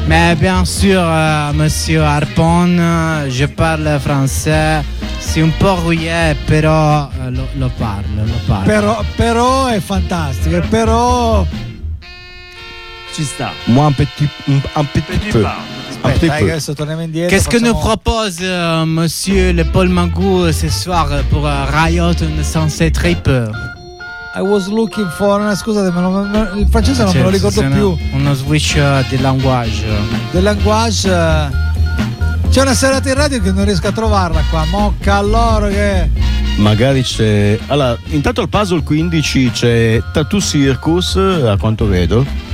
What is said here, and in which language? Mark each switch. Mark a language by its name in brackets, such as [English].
[French] Mais bien sûr, monsieur Harpon, je parle français. [Italian] Sì, un po' [French] rouillé, [Italian] però lo parlo. Però è fantastico, però ci sta. [French] Moi un petit peu. [Italian] Aspetta, adesso torniamo indietro. [French] Qu'est-ce que nous propose monsieur le Paul Magù ce soir pour Riot and Sunset Trip? [English] I was looking for, [Italian] scusate, ma il francese non me lo ricordo più. Uno switch di [English] language. [Italian] C'è una serata in radio che non riesco a trovarla qua. Mocca loro che. Magari c'è. Allora, intanto al puzzle 15 c'è Tattoo Circus, a quanto vedo.